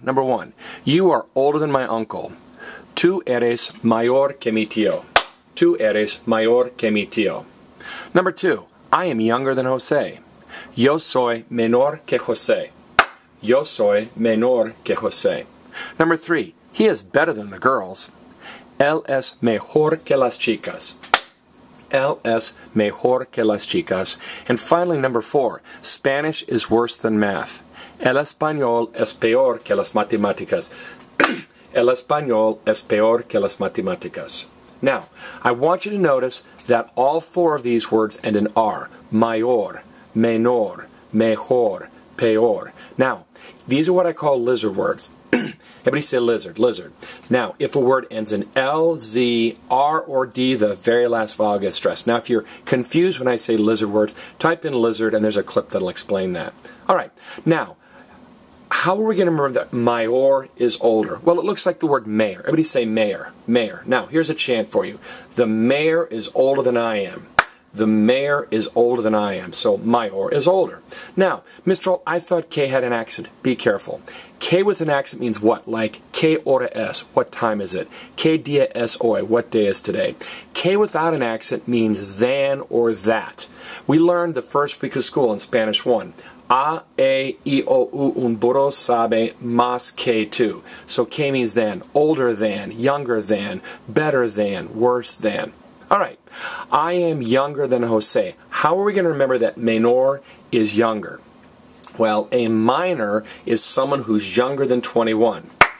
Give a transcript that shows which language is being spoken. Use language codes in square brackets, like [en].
[en] Number one, you are older than my uncle. Tú eres mayor que mi tío. Tú eres mayor que mi tío. Number two, I am younger than José. [es] Yo soy menor que José. Yo soy menor que José. [en] Number three, he is better than the girls. [es] Él es mejor que las chicas. Él es mejor que las chicas. [en] And finally, number four, Spanish is worse than math. [es] El español es peor que las matemáticas. El español es peor que las matemáticas. [en] Now, I want you to notice that all four of these words end in R. [es] Mayor, menor, mejor, peor. [en] Now, these are what I call lizard words. Everybody say lizard, lizard. Now, if a word ends in L, Z, R, or D, the very last vowel gets stressed. Now, if you're confused when I say lizard words, type in lizard and there's a clip that'll explain that. All right, now, how are we going to remember that mayor is older? Well, it looks like the word mayor. Everybody say mayor, mayor. Now, here's a chant for you. The mayor is older than I am. The mayor is older than I am. So mayor is older. Now, Mistral, I thought K had an accent. Be careful. K with an accent means what? Like K hora es, what time is it? K dia es hoy, what day is today? K without an accent means than or that. We learned the first week of school in Spanish 1. [es] A, E, I, O, U, un burro sabe más que tú. [en] So K means than, older than, younger than, better than, worse than. All right, I am younger than Jose. How are we going to remember that menor is younger? Well, a minor is someone who's younger than 21.